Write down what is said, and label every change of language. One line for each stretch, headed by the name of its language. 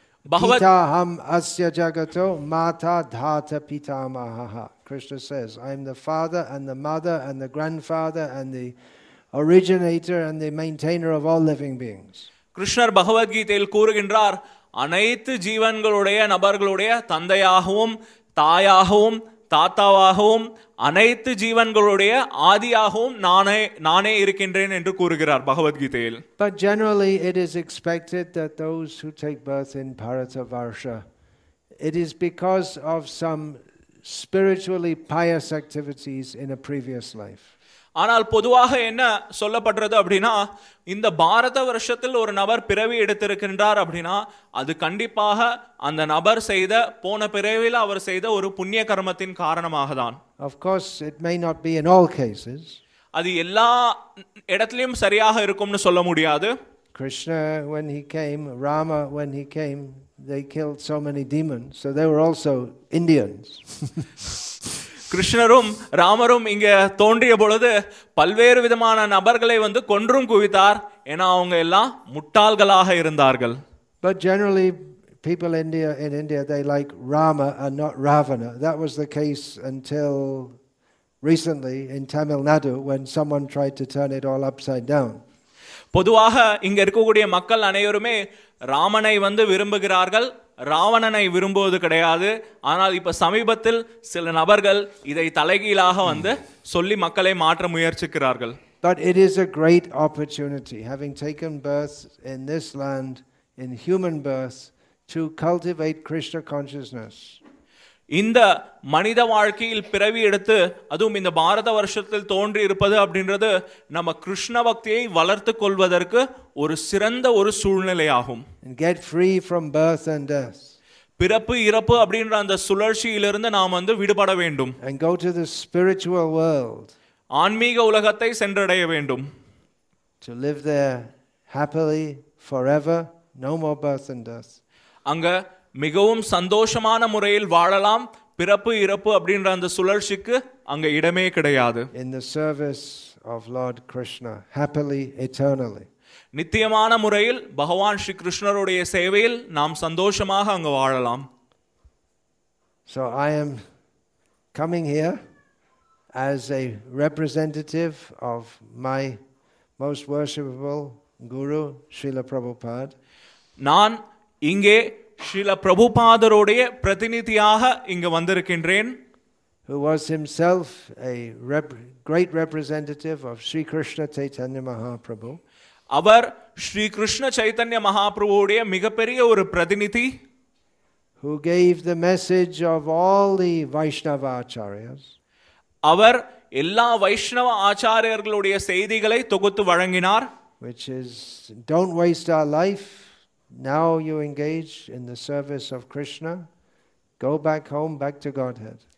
Sanskrit: Pitaham asya jagato mata dhata pitamaha.
English: Krishna says, I am the father and the mother and the grandfather and the originator and the maintainer of all living beings.
Tamil: கிருஷ்ணர் பகவத்கீதையில் கூறுகின்றார், அனைத்து ஜீவன்களுடைய நபர்களுடைய தந்தையாகவும் தாயாகவும் தாத்தாவாகவும் அனைத்து ஜீவன்களுடைய ஆதியாகவும் நானே இருக்கின்றேன் என்று கூறுகிறார் பகவத்கீதையில்.
English: But generally it is expected that those who take birth in Bharatavarsha, it is because of some spiritually pious activities in a previous life.
Tamil: ஆனால் பொதுவாக என்ன சொல்லப்படுறது அப்படின்னா, இந்த பாரத வருஷத்தில் ஒரு நபர் பிறவி எடுத்திருக்கின்றார் அப்படின்னா, அது கண்டிப்பாக அந்த நபர் செய்த போன பிறவியில் அவர் செய்த ஒரு புண்ணிய கர்மத்தின் காரணமாக தான்.
English: Of course, it may not be in all cases.
Tamil: அது எல்லா இடத்துலையும் சரியாக இருக்கும்னு சொல்ல முடியாது.
English: Krishna, when he came, Rama, when he came, they killed so many demons, so they were also Indians.
Tamil: கிருஷ்ணரும் ராமரும் இங்க தோன்றிய பொழுது பல்வேறு விதமான நபர்களை வந்து கொன்றும் குவித்தார். ஏன்னா அவங்க எல்லாம் முட்டாள்களாக இருந்தார்கள்.
English: But generally people in India they like Rama and not Ravana. That was the case until recently in Tamil Nadu when someone tried to turn it all upside down.
Tamil: பொதுவாக இங்க இருக்கக்கூடிய மக்கள் அனைவருமே ராமனை வந்து விரும்புகிறார்கள், ராவணனை விரும்புவது கிடையாது. ஆனால் இப்ப சமீபத்தில் சில நபர்கள் இதை தலைகீழாக வந்து சொல்லி மக்களை மாற்ற முயற்சிக்கிறார்கள்.
English: But it is a great opportunity, having taken birth in this land, in human birth, to cultivate Krishna consciousness.
Tamil: இந்த மனித வாழ்க்கையில் பிறவி எடுத்து, அதுவும் இந்த பாரத வருஷத்தில் தோன்றி இருப்பது அப்படின்றது நம்ம கிருஷ்ண பக்தியை வளர்த்து கொள்வதற்கு ஒரு சிறந்த ஒரு சூழ்நிலையாகும்.
English: Get free from birth and death.
Tamil: பிறப்பு இறப்பு அப்படின்ற அந்த சுழற்சியிலிருந்து நாம் வந்து விடுபட வேண்டும்.
English: And go to the spiritual world.
Tamil: ஆன்மீக உலகத்தை சென்றடைய வேண்டும்.
English: To live there happily forever, no more birth and death.
Tamil: அங்க மிகவும் சந்தோஷமான முறையில் வாழலாம். பிறப்பு இறப்பு அப்படின்ற அந்த சுழற்சிக்கு அங்க இடமே கிடையாது.
English: In the service of Lord Krishna, happily, eternally.
Tamil: நித்தியமான முறையில் பகவான் ஸ்ரீ கிருஷ்ணருடைய சேவையில் நாம் சந்தோஷமாக அங்கு வாழலாம்.
English: So I am coming here as a representative of my most worshipable guru, Srila Prabhupada.
Tamil: நான் இங்கே ஸ்ரீல பிரபுபாதருடைய பிரதிநிதியாக இங்கு வந்திருக்கின்றேன்.
English: Who was himself a great representative of Sri Krishna Chaitanya Mahaprabhu.
Tamil: அவர் ஸ்ரீ கிருஷ்ண சைத்தன்ய மகாபிரபுவுடைய மிகப்பெரிய ஒரு பிரதிநிதி.
English: Who gave the message of all the Vaishnava acharyas.
Tamil: அவர் எல்லா வைஷ்ணவ ஆச்சாரியர்களுடைய செய்திகளை தொகுத்து வழங்கினார்.
English: Which is, don't waste our life. Now you engage in the service of Krishna, go back home, back to Godhead.